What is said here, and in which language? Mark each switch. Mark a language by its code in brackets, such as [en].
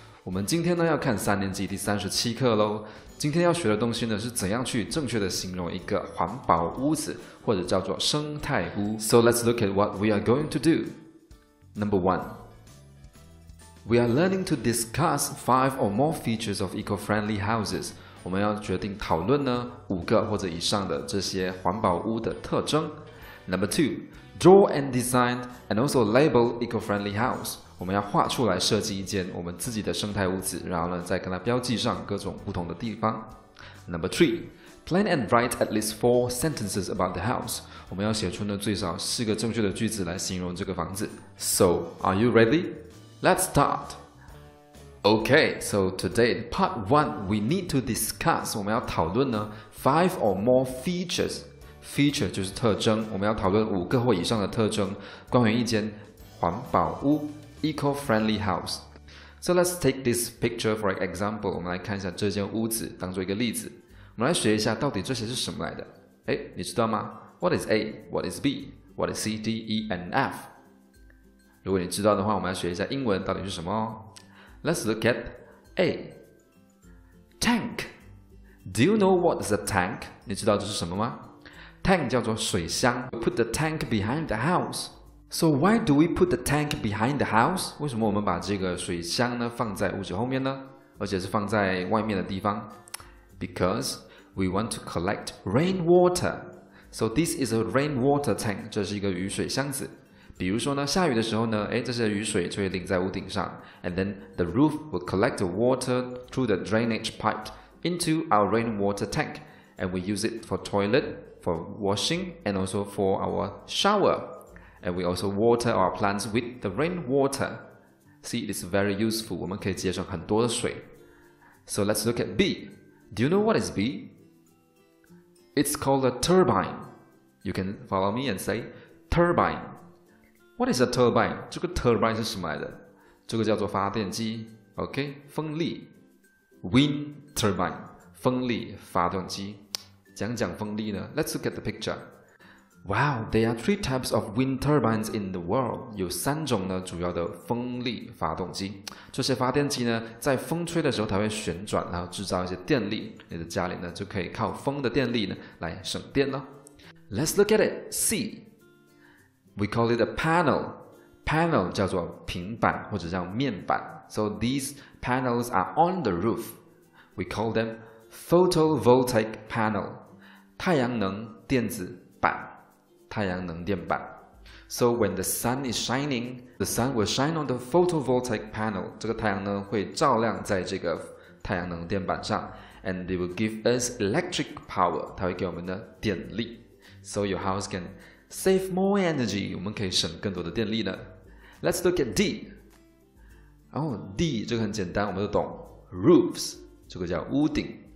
[zh] 我们今天呢要看三年级第三十七课咯。今天要学的东西呢是怎样去正确的形容一个环保屋子或者叫做生态屋。 [en] So let's look at what we are going to do. Number one. We are learning to discuss five or more features of eco-friendly houses. [zh] 我们要决定讨论呢五个或者以上的这些环保屋的特征。 [en] Number two, draw and design and also label eco-friendly house. [zh] 我们要画出来设计一间我们自己的生态屋子，然后呢再跟它标记上各种不同的地方。 [en] Number three, plan and write at least four sentences about the house. [zh] 我们要写出呢最少四个正确的句子来形容这个房子。 [en] So, are you ready? Let's start. Okay, so today, part one, we need to discuss, [zh] 我们要讨论呢 [en] five or more features. Feature 就是特征，我们要讨论五个或以上的特征，关于一间环保屋 eco-friendly house. So let's take this picture for example, [zh] 我们来看一下这间屋子当做一个例子。我们来学一下到底这些是什么来的。诶，你知道吗？ [en] What is A? What is B? What is C, D, E, and F? [zh] 如果你知道的话，我们要学一下英文到底是什么哦。 [en] Let's look at A. Tank. Do you know what is a tank? [zh] 你知道这是什么吗？ [en] Tank [zh] 叫做水箱。 [en] Put the tank behind the house. So why do we put the tank behind the house? [zh] 为什么我们把这个水箱呢放在屋子后面呢？而且是放在外面的地方？ [en] Because we want to collect rainwater. So this is a rainwater tank. [zh] 这是一个雨水箱子。比如说呢下雨的时候呢这些雨水就会淋在屋顶上。 [en] And then the roof will collect the water through the drainage pipe into our rainwater tank. And we use it for toilet, for washing, and also for our shower. And we also water our plants with the rainwater. See, it's very useful. [zh] 我们可以节省很多的水。 [en] So let's look at B. Do you know what is B? It's called a turbine. You can follow me and say turbine. What is a turbine? [zh] 这个 turbine 是什么来的？这个叫做发电机 ，OK， 风力 ，wind turbine， 风力发动机。讲讲风力呢 ？ [en] Let's look at the picture. Wow, there are three types of wind turbines in the world. [zh] 有三种呢主要的风力发动机。这些发电机呢，在风吹的时候它会旋转，然后制造一些电力。你的家里呢就可以靠风的电力呢来省电了。 [en] Let's look at it. See. We call it a panel. Panel [zh] 叫做平板或者叫面板。 [en] So these panels are on the roof. We call them photovoltaic panel. [zh] 太阳能电子板。太阳能电板。 [en] So when the sun is shining, the sun will shine on the photovoltaic panel. [zh] 这个太阳呢会照亮在这个太阳能电板上。 [en] And they will give us electric power. [zh] 它会给我们的电力。 [en] So your house canSave more energy, [zh] 我们可以省更多的电力呢。 [en] Let's look at D. [zh] Oh, D, 这个很简单，我们都懂。Roofs, 这个叫屋顶。